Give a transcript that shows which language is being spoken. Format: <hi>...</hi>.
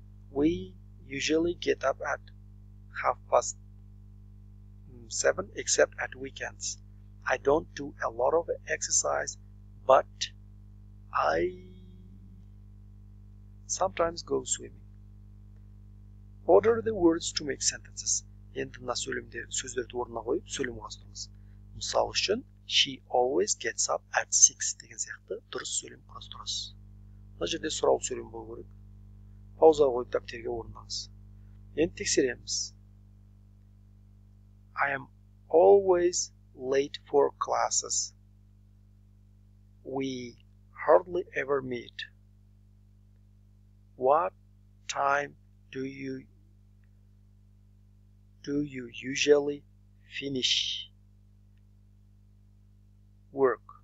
<en>We usually get up at 7:30, except at weekends. I don't do a lot of exercise, but I sometimes go swimming. Order the words to make sentences.</en> <kk>Енді мына сөйлемде сөздерді орнына қойып, сөйлем құрастырыңыз. Мысал үшін,</kk> <en>She always gets up at 6</en> <kk>деген сияқты дұрыс сөйлем құрастырасыз. Мына жерде сұрау сөйлем болу керек. Пауза қойып дәптерге орындаңыз. Енді тексереміз.</kk> <en>I am always late for classes. We hardly ever meet. What time do you usually finish work?</en>